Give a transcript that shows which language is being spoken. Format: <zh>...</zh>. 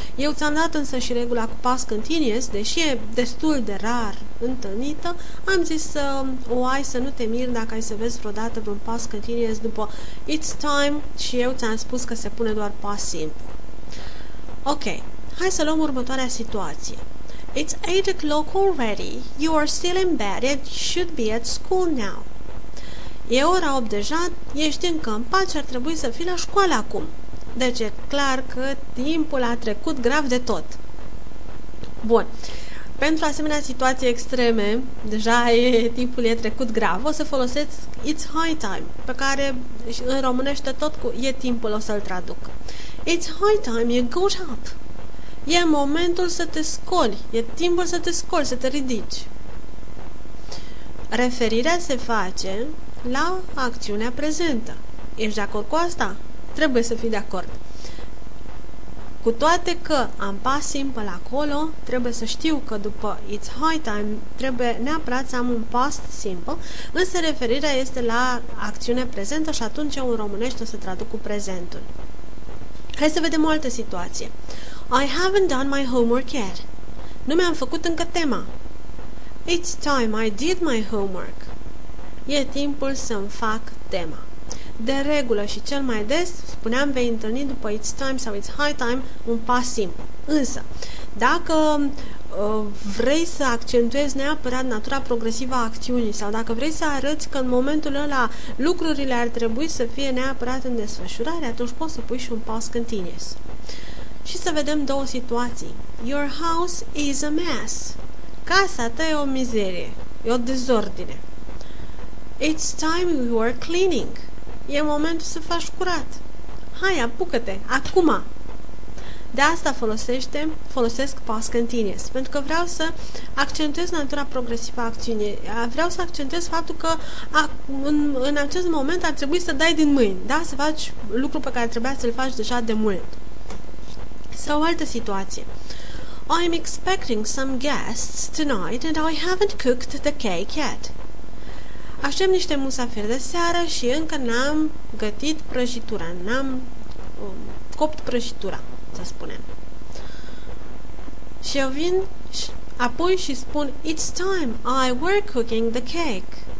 <ro>Eu ți-am dat însă și regula cu past continuous, deși e destul de rar întâlnită, am zis să o ai, să nu te miri dacă ai să vezi vreodată un past continuous după it's time și eu ți-am spus că se pune doar past simple. Ok, hai să luăm următoarea situație.</ro> <en>It's 8 o'clock already, you are still in bed, it should be at school now.</en> <ro>E ora 8 deja, ești încă în pat și ar trebui să fii la școală acum. Deci e clar că timpul a trecut grav de tot. Bun, pentru asemenea situații extreme, deja timpul e trecut grav, o să folosesc it's high time, pe care în românește tot cu e timpul, o să-l traduc.</ro> <en>It's high time, you go up.</en> <ro>E momentul să te scoli, e timpul să te scoli, să te ridici. Referirea se face la acțiunea prezentă. Ești de acord cu asta? Trebuie să fii de acord. Cu toate că am past simple acolo, trebuie să știu că după it's high time, trebuie neapărat să am un past simple, însă referirea este la acțiunea prezentă și atunci eu în românești o să traduc cu prezentul. Hai să vedem o altă situație.</ro> <en>I haven't done my homework yet.</en> <ro>Nu mi-am făcut încă tema.</ro> <en>It's time I did my homework.</en> <ro>E timpul să-mi fac tema. De regulă și cel mai des, spuneam, vei întâlni după it's time sau it's high time un past simple. Însă, dacă vrei să accentuezi neapărat natura progresivă a acțiunii sau dacă vrei să arăți că în momentul ăla lucrurile ar trebui să fie neapărat în desfășurare, atunci poți să pui și un past continuous. Și să vedem două situații.</ro> <en>Your house is a mess.</en> <ro>Casa ta e o mizerie, e o dezordine.</ro> <en>It's time you are cleaning.</en> <ro>E momentul să faci curat. Hai, apucă-te, acum. De asta folosesc past continuous, pentru că vreau să accentuez natura progresivă a acțiunii. Vreau să accentuez faptul că în acest moment ar trebui să dai din mâini, da? Să faci lucru pe care trebuia să-l faci deja de mult. Sau o altă situație.</ro> <en>I'm expecting some guests tonight and I haven't cooked the cake yet.</en> <ro>Aștept niște musafiri de seară și încă n-am gătit prăjitura, n-am copt prăjitura, să spunem. Și eu vin apoi și spun,</ro> <en>it's time, I were cooking the cake.</en>